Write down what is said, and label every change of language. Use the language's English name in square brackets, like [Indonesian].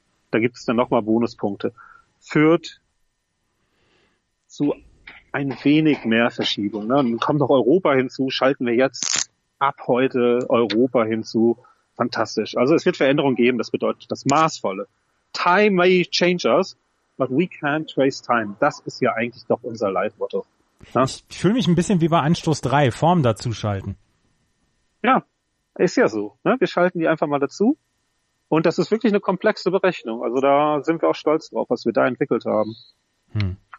[German] Da gibt es dann nochmal Bonuspunkte. Führt zu ein wenig mehr Verschiebung. Ne? Und dann kommt noch Europa hinzu, schalten wir jetzt ab heute Europa hinzu. Fantastisch. Also es wird Veränderungen geben, das bedeutet das Maßvolle. [English] Time may change us, but we can't trace time. [German] Das ist ja eigentlich doch unser Leitmotto. Ja? Ich fühle mich ein bisschen wie bei Anstoß 3, Form dazu schalten. Ja, ist ja so. Ne? Wir schalten die einfach mal dazu. Und das ist wirklich eine komplexe Berechnung. Also da sind wir auch stolz drauf, was wir da entwickelt haben. Hm.